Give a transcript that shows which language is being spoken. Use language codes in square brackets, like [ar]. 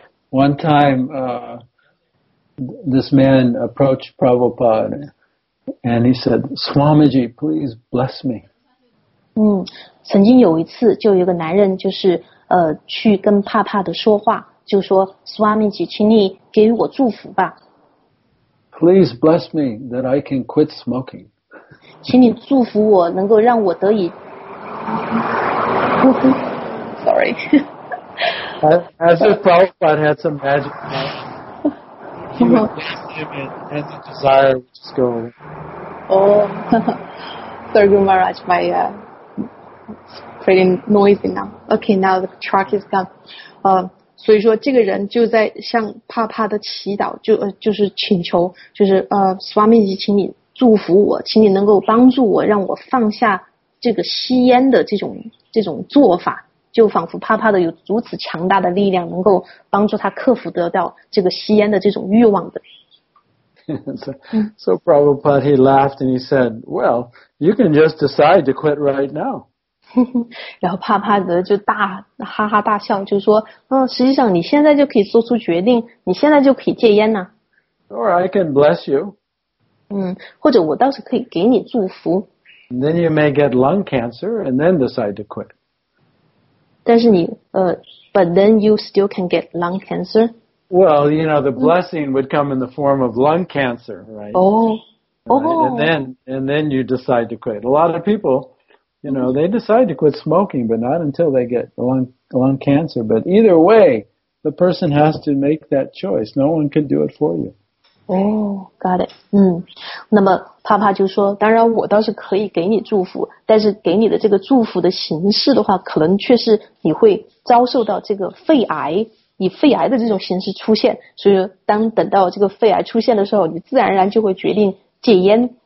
[en] One time, this man approached Prabhupada and he said, Swamiji, please bless me. [zh] 曾经有一次就有一个男人就是去跟帕帕的说话，就说 Swamiji, 请你给予我祝福吧。 [en] Please bless me that I can quit smoking. [zh] 请你祝福我能够让我得以 [en] Sorry. As if Prabhupada had some magic power. He would give it and the desire would just go away. Oh, Sargu Maharaj, my, it's pretty noisy now. Okay, now the truck is gone. [zh] 所以说这个人就在向帕帕的祈祷，就是请求，就是Swamiji, 请你祝福我，请你能够帮助我，让我放下这个吸烟的这种做法，就仿佛帕帕的有如此强大的力量能够帮助他克服得到这个吸烟的这种欲望的。 [en] So Prabhupada, he laughed and he said, well, you can just decide to quit right now. [zh] 然后帕帕德就大哈哈大笑，就说实际上你现在就可以做出决定，你现在就可以戒烟呢。 [en] Or I can bless you. [zh] 或者我倒是可以给你祝福。 [en] And then you may get lung cancer and then decide to quit. [zh] 但是你 [en] but then you still can get lung cancer. Well, you know, the blessing would come in the form of lung cancer, right? Oh, And then you decide to quit. A lot of people, you know, they decide to quit smoking, but not until they get lung cancer. But either way, the person has to make that choice. No one can do it for you. Oh, got it. [zh] 那么帕帕就说，当然我倒是可以给你祝福，但是给你的这个祝福的形式的话，可能却是你会遭受到这个肺癌，以肺癌的这种形式出现。所以当等到这个肺癌出现的时候，你自然而然就会决定戒烟。